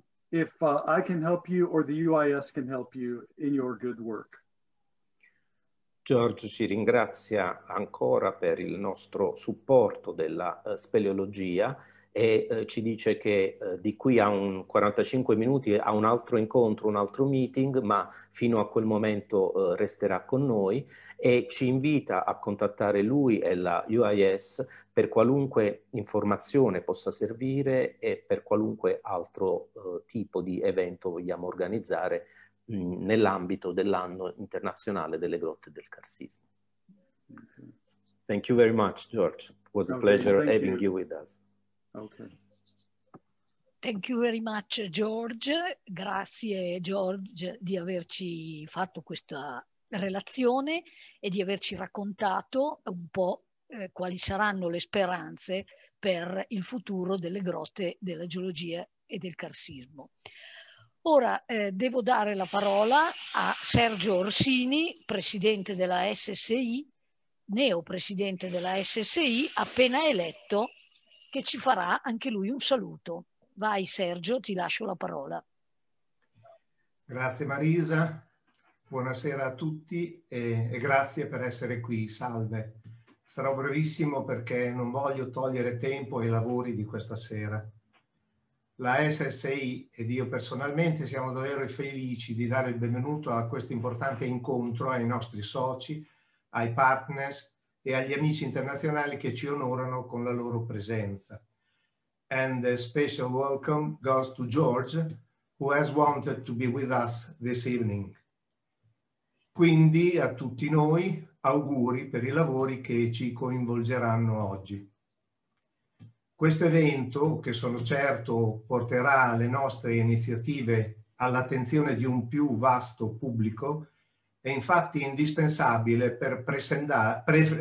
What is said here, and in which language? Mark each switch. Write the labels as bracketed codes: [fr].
[en] If I can help you or the UIS can help you in your good work. [it] Giorgio ci ringrazia ancora per il nostro supporto della speleologia e ci dice che di qui a un 45 minuti ha un altro incontro, un altro meeting, ma fino a quel momento resterà con noi e ci invita a contattare lui e la UIS per qualunque informazione possa servire e per qualunque altro tipo di evento vogliamo organizzare nell'ambito dell'anno internazionale delle grotte del Carsismo. [en] Thank you very much, George. It was a pleasure having you with us. Okay. Thank you very much, George. [it] Grazie, George, di averci fatto questa relazione e di averci raccontato un po' quali saranno le speranze per il futuro delle grotte della geologia e del Carsismo. Ora devo dare la parola a Sergio Orsini, presidente della SSI, neo presidente della SSI, appena eletto, che ci farà anche lui un saluto. Vai Sergio, ti lascio la parola. Grazie Marisa, buonasera a tutti e grazie per essere qui, salve. Sarò brevissimo perché non voglio togliere tempo ai lavori di questa sera. La SSI ed io personalmente siamo davvero felici di dare il benvenuto a questo importante incontro ai nostri soci, ai partners e agli amici internazionali che ci onorano con la loro presenza. [en] And a special welcome goes to George, who has wanted to be with us this evening. [it] Quindi a tutti noi auguri per i lavori che ci coinvolgeranno oggi. Questo evento, che sono certo porterà le nostre iniziative all'attenzione di un più vasto pubblico, è infatti indispensabile per presentare